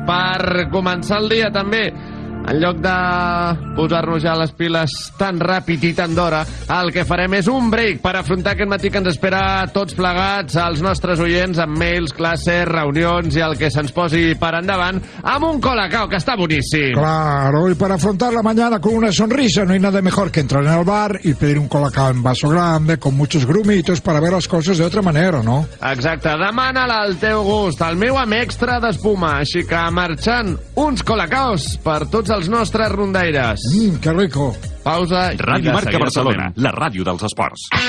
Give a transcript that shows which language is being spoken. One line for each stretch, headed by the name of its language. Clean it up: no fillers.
Catalan: Per començar el dia també, en lloc de posar-nos ja les piles tan ràpid i tan d'hora, el que farem és un break per afrontar aquest matí que ens espera tots plegats, als nostres oients, amb mails, classes, reunions i el que se'ns posi per endavant, amb un Colacao que està boníssim.
Spanish: Claro, y para afrontar la mañana con una sonrisa no hay nada mejor que entrar en el bar y pedir un Colacao en vaso grande con muchos grumitos para ver las cosas de otra manera, ¿no?
Catalan: Exacte, demana-la al teu gust, al meu amb extra d'espuma, així que marxant uns Colacaos per tot els nostres rondaires.
Spanish: Que rico. Pausa.
Catalan: Ràdio Marca Barcelona, la ràdio dels esports.